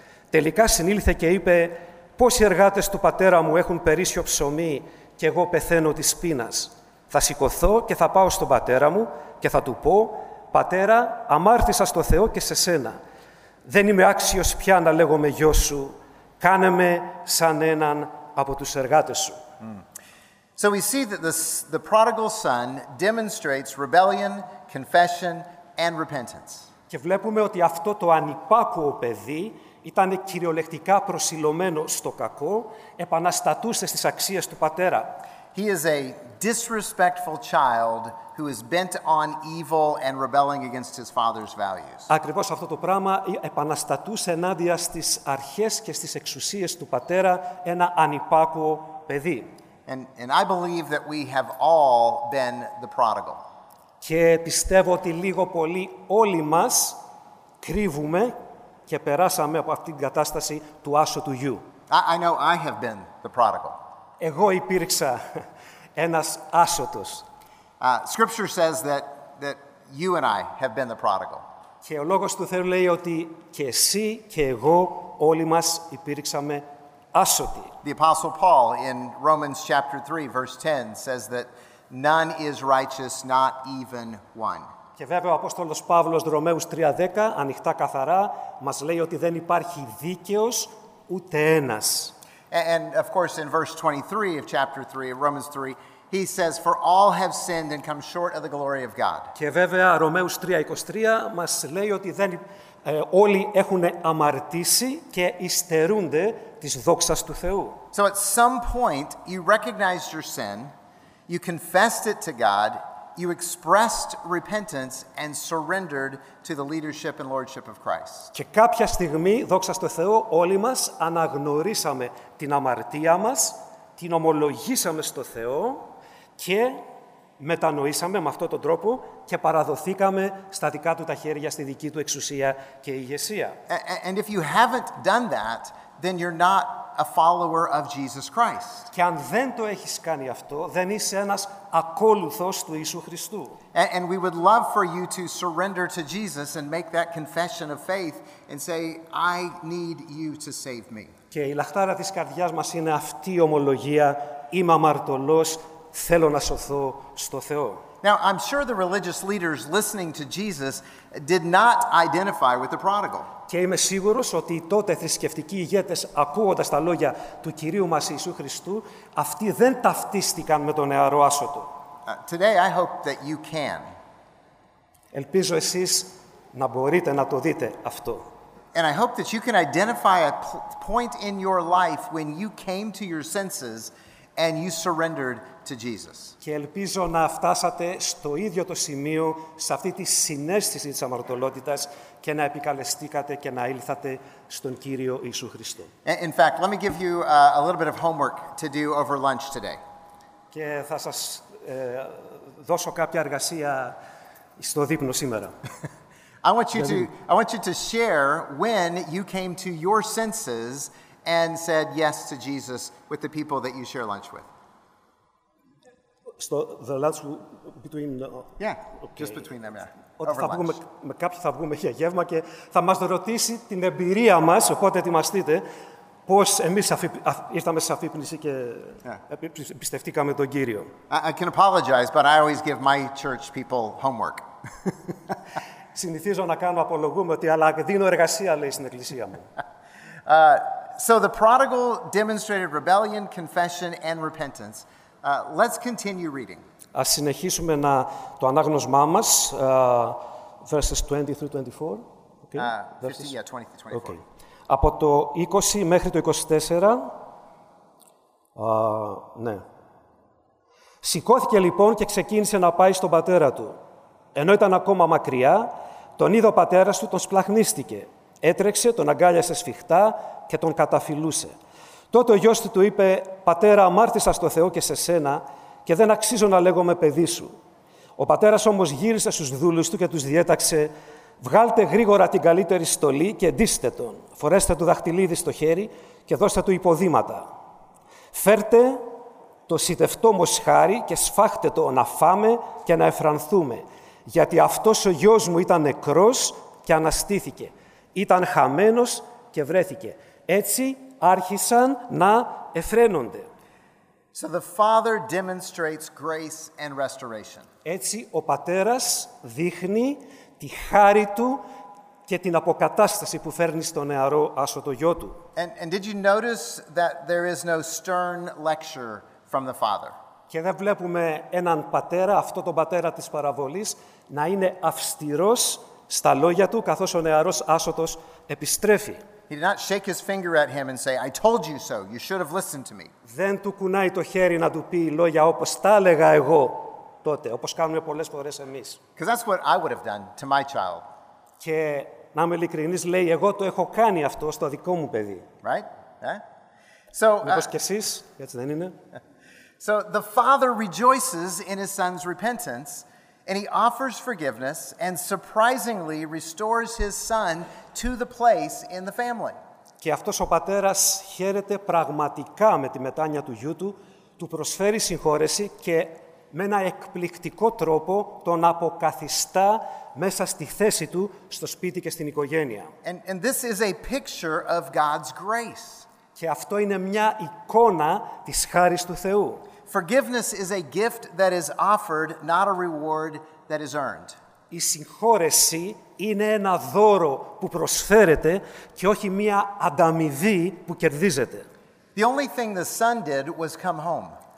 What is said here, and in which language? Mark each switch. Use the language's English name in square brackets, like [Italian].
[Greek] Τελικά συνήλθε και είπε: «Πόσοι εργάτες του πατέρα μου έχουν περίσσιο ψωμί και εγώ πεθαίνω της πείνας. Θα σηκωθώ και θα πάω στον πατέρα μου και θα του πω: Πατέρα, αμάρτησα στο Θεό και σε σένα. Δεν είμαι άξιος πια να λέγομαι γιος σου. Κάνε με σαν έναν από τους εργάτες σου». [English] So we see that the prodigal son demonstrates rebellion, confession and repentance. [Greek] Και βλέπουμε ότι αυτό το ανυπάκουο παιδί ήταν κυριολεκτικά προσιλωμένο στο κακό, επαναστατούσε στις αξίες του πατέρα. [English] He is a disrespectful child who is bent on evil and rebelling against his father's values. [Greek] Ακριβώς αυτό το πράγμα, επαναστατούσε ενάντια στις αρχές και στις εξουσίες του πατέρα ένα ανυπάκουο παιδί. [English] And I believe that we have all been the prodigal. [Greek] Και πιστεύω ότι λίγο πολύ όλοι μας κρύβουμε και περάσαμε από αυτήν την κατάσταση του άσωτου γιου. [English] I know I have been the prodigal. [Greek] Εγώ υπήρξα ένας άσωτος. [English] Scripture says that you and I have been the prodigal. [Greek] Και ο λόγος του Θεού λέει ότι και εσύ και εγώ όλοι μας υπήρξαμε άσωτοι. [English] The Apostle Paul in Romans chapter 3 verse 10 says that none is righteous, not even one. [Greek] Και βέβαια ο Απόστολος Παύλος, Ρωμαίους 3:10, ανοιχτά καθαρά, μας λέει ότι δεν υπάρχει δίκαιος ούτε ένας. [English] And of course in verse 23 of chapter 3 of Romans 3, he says for all have sinned and come short of the glory of God. [Greek] Και βέβαια Ρωμαίους 3:23 μας λέει ότι όλοι έχουν αμαρτήσει και υστερούνται της δόξας του Θεού. [English] So at some point you recognized your sin, you confessed it to God, you expressed repentance and surrendered to the leadership and lordship of Christ. [Greek] Και κάποια στιγμή, δόξα στον Θεό, όλοι μας αναγνωρίσαμε την αμαρτία μας, την ομολογήσαμε στον Θεό και μετανοήσαμε με αυτόν τον τρόπο και παραδοθήκαμε στα δικά του τα χέρια, στη δική του εξουσία και ηγεσία. [English] And if you haven't done that, then you're not a follower of Jesus Christ. [Greek] Και αν δεν το έχεις κάνει αυτό, δεν είσαι ένας ακόλουθος του Ιησού Χριστού. [English] And we would love for you to surrender to Jesus and make that confession of faith and say, I need you to save me. [Greek] Και η λαχτάρα της καρδιάς μας είναι αυτή η ομολογία, είμαι αμαρτωλός, θέλω να σωθώ στο Θεό. [English] Now, I'm sure the religious leaders listening to Jesus did not identify with the prodigal. [Greek] Και είμαι σίγουρος ότι οι τότε θρησκευτικοί ηγέτες, ακούγοντας τα λόγια του Κυρίου μας Ιησού Χριστού, αυτοί δεν ταυτίστηκαν με τον νεαρό άσωτο. [English] Today I hope that you can. [Greek] Ελπίζω εσείς να μπορείτε να το δείτε αυτό. [English] And I hope that you can identify a point in your life when you came to your senses and you surrendered to Jesus. [Greek] Και ελπίζω να φτάσατε στο ίδιο το σημείο, σε αυτή τη συνέστηση της αμαρτωλότητας και να επικαλεστήκατε και να ήλθατε στον Κύριο Ιησού Χριστό. [English] In fact, let me give you a little bit of homework to do over lunch today. [Greek] Και θα σας δώσω κάποια εργασία στο δείπνο σήμερα. [English] I want you to share when you came to your senses and said yes to Jesus with the people that you share lunch with. Στο the lunch between Just between them, yeah. [Greek] Όταν θα βγούμε με κάποιον, θα βγούμε για γεύμα και θα μας ρωτήσει την εμπειρία μας, οπότε ετοιμαστείτε, πώς εμείς ήρθαμε σε αφύπνιση και πιστευτήκαμε τον Κύριο. [English] I can apologize, but I always give my church people homework. [Greek] Συνηθίζω να κάνω απολογούμε ότι αλλά δίνω εργασία, λέει, στην εκκλησία μου. [English] So the prodigal demonstrated rebellion, confession, and repentance. Let's continue reading. [Greek] Ας συνεχίσουμε να το ανάγνωσμά μας, [English] verses 20-24. Okay. Verses 20-24. Okay. [Greek] Από το 20 μέχρι το 24, ναι. Σηκώθηκε λοιπόν και ξεκίνησε να πάει στον πατέρα του. Ενώ ήταν ακόμα μακριά, τον είδε ο πατέρας του, τον σπλαχνίστηκε. Έτρεξε, τον αγκάλιασε σφιχτά και τον καταφιλούσε. Τότε ο γιος του είπε, «Πατέρα, αμάρτησα στο Θεό και σε σένα και δεν αξίζω να λέγομαι παιδί σου». Ο πατέρας όμως γύρισε στους δούλους του και τους διέταξε, «Βγάλτε γρήγορα την καλύτερη στολή και ντύστε τον. Φορέστε του δαχτυλίδι στο χέρι και δώστε του υποδήματα. Φέρτε το σιτευτό μοσχάρι και σφάχτε το να φάμε και να εφρανθούμε, γιατί αυτός ο γιος μου ήταν νεκρός και αναστήθηκε. Ήταν χαμένος και βρέθηκε». Έτσι άρχισαν να εφραίνονται. [English] So the father demonstrates grace and restoration. [Greek] Έτσι ο πατέρας δείχνει τη χάρη του και την αποκατάσταση που φέρνει στο νεαρό άσωτο γιο του. [English] And did you notice that there is no stern lecture from the father? [Greek] Και δεν βλέπουμε έναν πατέρα, αυτό τον πατέρα της παραβολής, να είναι αυστηρός στα λόγια του, καθώς ο νεαρός άσωτος επιστρέφει. [English] He did not shake his finger at him and say, I told you so, you should have listened to me. [Greek] Δεν του κουνάει το χέρι να του πει λόγια όπως τα έλεγα εγώ τότε, όπως κάνουμε πολλές φορές εμείς. [English] Because that's what I would have done to my child. [Greek] Και να είμαι ειλικρινής, λέει, εγώ το έχω κάνει αυτό στο δικό μου παιδί. [English] Right? Yeah. [Greek] So, μήπως και εσείς, έτσι δεν είναι. [English] So the father rejoices in his son's repentance, and he offers forgiveness, and surprisingly restores his son to the place in the family. [Greek] Και αυτός ο πατέρας χαίρεται πραγματικά με τη μετάνοια του γιού του, του προσφέρει συγχώρεση και με ένα εκπληκτικό τρόπο τον αποκαθιστά μέσα στη θέση του, στο σπίτι και στην οικογένεια. [English] And this is a picture of God's grace. [Greek] Και αυτό είναι μια εικόνα της χάρης του Θεού. [English] Forgiveness is a gift that is offered, not a reward that is earned. [Greek] Η συγχώρεση είναι ένα δώρο που προσφέρεται και όχι μια ανταμοιβή που κερδίζεται. [English] The only thing the son did was come home.